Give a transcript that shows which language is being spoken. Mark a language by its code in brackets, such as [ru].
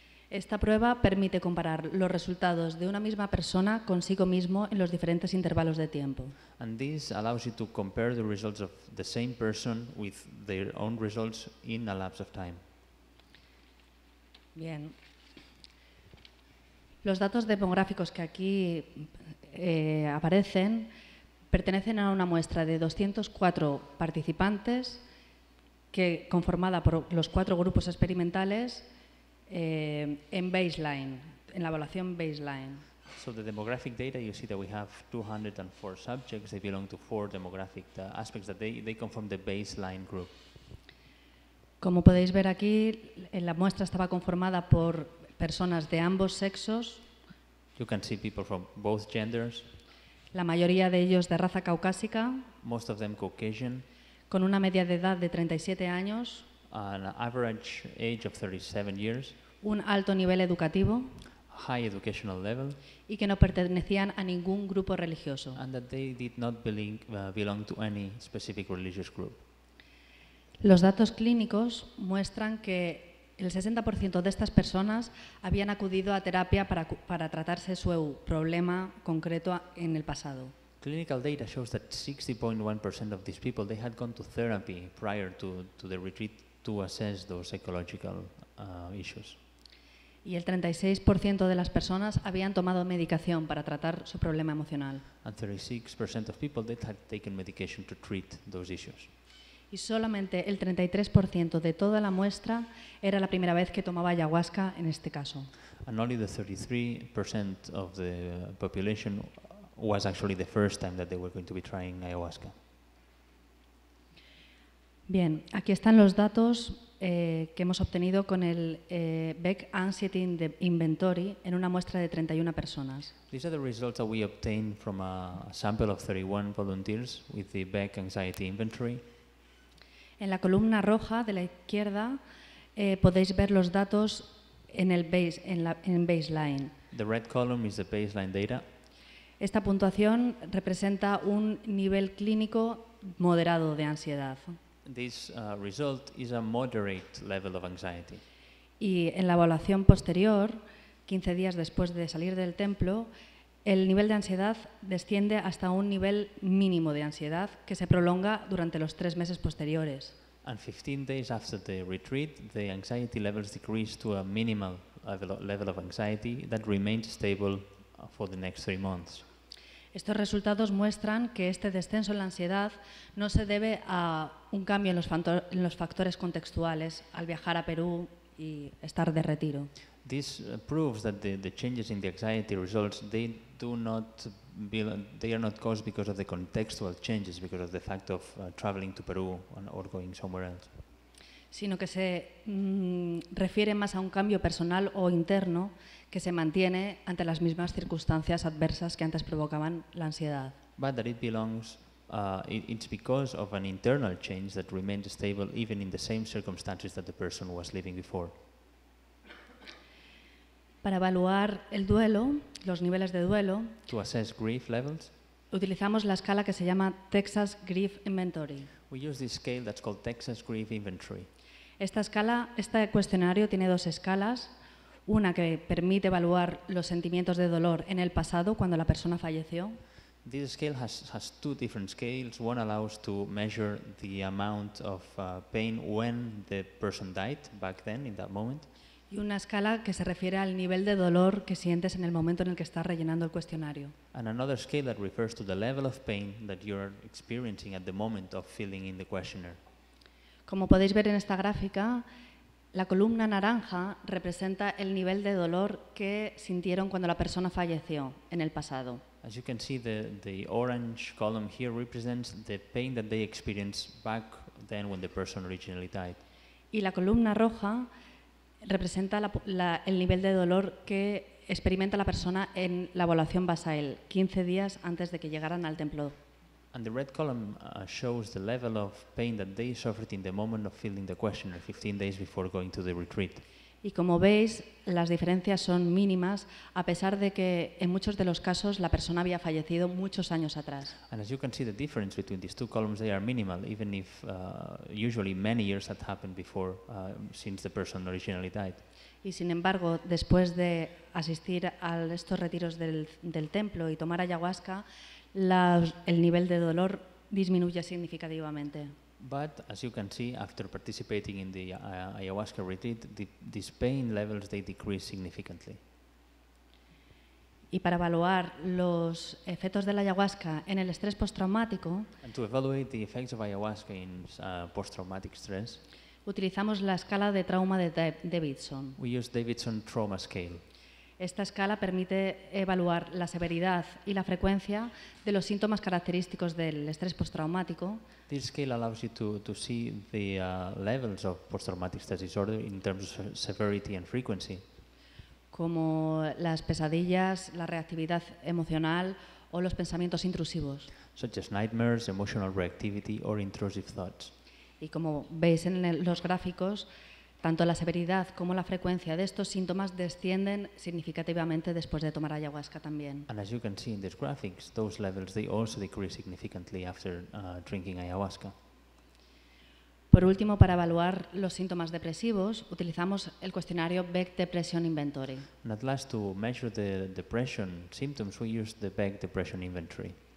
[es] Esta prueba permite comparar los resultados de una misma persona consigo mismo en los diferentes intervalos de tiempo. [en] And this allows you to compare the results of the same person with their own results in a lapse of time. [es] Bien. Los datos demográficos que aquí aparecen pertenecen a una muestra de 204 participantes que conformada por los 4 grupos experimentales en baseline, en la evaluación baseline. [en] So the demographic data, you see that we have 204 subjects, they belong to 4 demographic aspects that they come from the baseline group. [es] Como podéis ver aquí, la muestra estaba conformada por personas de ambos sexos. [en] You can see people from both genders. [es] La mayoría de ellos de raza caucásica. [en] Most of them Caucasian. [es] Con una media de edad de 37 años. [en] An average age of 37 years, [es] un alto nivel educativo, [en] high educational level, [es] y que no pertenecían a ningún grupo religioso. [en] And that they did not belong to any specific religious group. [es] Los datos clínicos muestran que el 60% de estas personas habían acudido a terapia para tratarse su problema concreto en el pasado. [en] Clinical data shows that 60.1% of these people they had gone to therapy prior to the retreat to assess those psychological issues. [es] Y el 36% de las personas habían tomado medicación para tratar su problema emocional. [en] And 36% of people that had taken medication to treat those issues. [es] Y solamente el 33% de toda la muestra era la primera vez que tomaba ayahuasca en este caso. [en] And only the 33% of the population was actually the first time that they were going to be trying ayahuasca. [es] Bien, aquí están los datos que hemos obtenido con el Beck Anxiety Inventory en una muestra de 31 personas. [en] These are the results that we obtained from a sample of 31 volunteers with the Beck Anxiety Inventory. [es] En la columna roja de la izquierda podéis ver los datos en el base, en baseline. [en] The red column is the baseline data. [es] Esta puntuación representa un nivel clínico moderado de ansiedad. [en] This result is a moderate level of anxiety. [es] Y en la evaluación posterior, 15 días después de salir del templo, el nivel de ansiedad desciende hasta un nivel mínimo de ansiedad que se prolonga durante los 3 meses posteriores. [en] And 15 days after the retreat, the anxiety levels decrease to a minimal level of anxiety that remains stable for the next 3 months. [es] Estos resultados muestran que este descenso en la ansiedad no se debe a un cambio en los factores contextuales al viajar a Perú y estar de retiro. [en] This proves that the changes in the anxiety results they do not they are not caused because of the contextual changes because of the fact of traveling to Peru or going somewhere else. [es] Sino que se refiere más a un cambio personal o interno que se mantiene ante las mismas circunstancias adversas que antes provocaban la ansiedad. [en] But that it belongs, it's because of an internal change that remains stable even in the same circumstances that the person was living before. [es] Para evaluar el duelo, los niveles de duelo, [en] to assess grief levels, [es] utilizamos la escala que se llama Texas Grief Inventory. [en] We use this scale that's called Texas Grief Inventory. [es] Esta escala, este cuestionario tiene dos escalas, una que permite evaluar los sentimientos de dolor en el pasado cuando la persona falleció. [en] This scale has two different scales. One allows to measure the amount of pain when the person died back then in that moment. [es] Y una escala que se refiere al nivel de dolor que sientes en el momento en el que estás rellenando el cuestionario. [en] And another scale that refers to the level of pain that you're experiencing at the moment of filling in the questionnaire. [es] Como podéis ver en esta gráfica, la columna naranja representa el nivel de dolor que sintieron cuando la persona falleció en el pasado. [en] As you can see, the orange column here represents the pain that they experienced back then when the person originally died. [es] Y la columna roja representa el nivel de dolor que experimenta la persona en la evaluación basal, 15 días antes de que llegaran al templo. [en] And the red column shows the level of pain that they suffered in the moment of filling the questionnaire 15 days before going to the retreat. [es] Y como veis, las diferencias son mínimas, a pesar de que en muchos de los casos la persona había fallecido muchos años atrás. [en] And as you can see, the difference between these two columns, they are minimal, even if usually many years had happened before, since the person originally died. [es] Y sin embargo, después de asistir a estos retiros del templo y tomar ayahuasca, el nivel de dolor disminuye significativamente. [en] But as you can see, after participating in the ayahuasca retreat, these pain levels they decrease significantly. [es] Y para evaluar los efectos de la ayahuasca en el estrés postraumático, [en] and to evaluate the effects of ayahuasca in post-traumatic stress, [es] utilizamos la escala de trauma de Davidson. [en] We use Davidson trauma scale. [es] Esta escala permite evaluar la severidad y la frecuencia de los síntomas característicos del estrés postraumático. [en] This scale allows you to see the levels of post-traumatic stress disorder in terms of severity and frequency. [es] Como las pesadillas, la reactividad emocional o los pensamientos intrusivos. [en] Such as nightmares, emotional reactivity or intrusive thoughts. [es] Y como veis en los gráficos, tanto la severidad como la frecuencia de estos síntomas descienden significativamente después de tomar ayahuasca también. [en] And as you can see in these graphics, those levels they also decrease significantly after drinking ayahuasca. [es] Por último, para evaluar los síntomas depresivos, utilizamos el cuestionario Beck Depression Inventory. [en] And at last, to measure the depression symptoms, we use the Beck Depression Inventory.